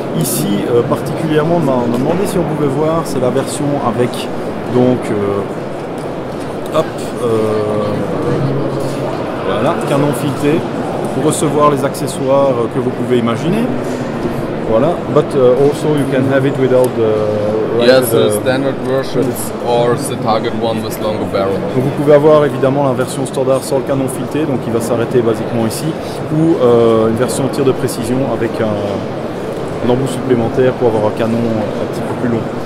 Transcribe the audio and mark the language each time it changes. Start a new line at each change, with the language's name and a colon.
French: Ici, particulièrement, on m'a demandé si on pouvait voir, c'est la version avec, donc, voilà, canon filté. Pour recevoir les accessoires que vous pouvez imaginer. Voilà.
English: But also you can have it without the... Right, yes, the standard versions or the target one with longer barrel.
French: Donc vous pouvez avoir évidemment la version standard sans le canon fileté, donc il va s'arrêter basiquement ici, ou une version tir de précision avec un embout supplémentaire pour avoir un canon un petit peu plus long.